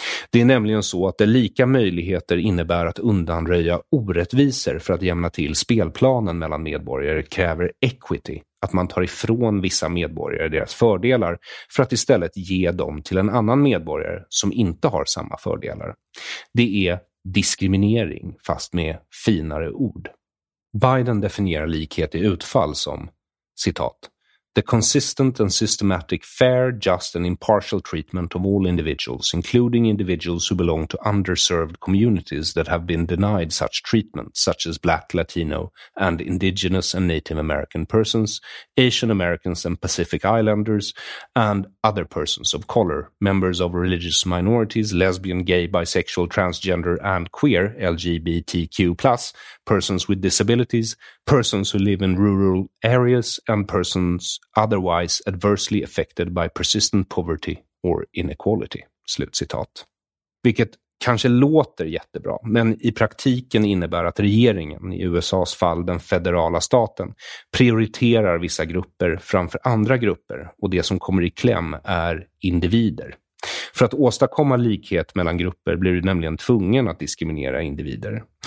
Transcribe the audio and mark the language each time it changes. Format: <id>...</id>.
<sv>Det är nämligen så att de lika möjligheter innebär att undanröja orättvisor för att jämna till spelplanen mellan medborgare kräver equity, att man tar ifrån vissa medborgare deras fördelar för att istället ge dem till en annan medborgare som inte har samma fördelar. Det är diskriminering, fast med finare ord. Biden definierar likhet i utfall som, citat,</sv> <en>"the consistent and systematic fair, just and impartial treatment of all individuals, including individuals who belong to underserved communities that have been denied such treatment, such as Black, Latino and Indigenous and Native American persons, Asian Americans and Pacific Islanders, and other persons of color, members of religious minorities, lesbian, gay, bisexual, transgender and queer, LGBTQ+, persons with disabilities, persons who live in rural areas, and persons otherwise adversely affected by persistent poverty or inequality."</en> <sv>Slutcitat. Vilket kanske låter jättebra, men i praktiken innebär att regeringen, i USAs fall den federala staten, prioriterar vissa grupper framför andra grupper, och det som kommer i kläm är individer. För att åstadkomma likhet mellan grupper blir du nämligen tvungen att diskriminera individer.</sv>